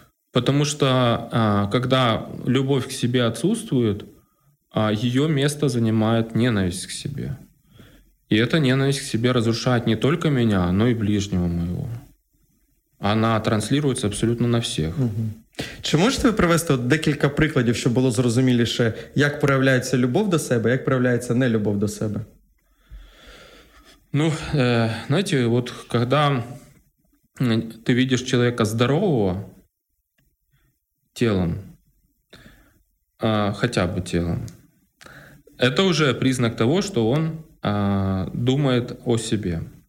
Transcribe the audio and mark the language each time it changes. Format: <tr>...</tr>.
<ru>Потому что когда любовь к себе отсутствует, ее место занимает ненависть к себе. И эта ненависть к себе разрушает не только меня, но и ближнего моего. Она транслируется абсолютно на всех. Угу.</ru> <uk>Чи можете ви привести от декілька прикладів, щоб було зрозуміліше, як проявляється любов до себе, як проявляється нелюбов до себе?</uk> <ru>Ну, знаете, вот когда ты видишь человека здорового телом, хотя бы телом, это уже признак того, что он думает о себе.</ru>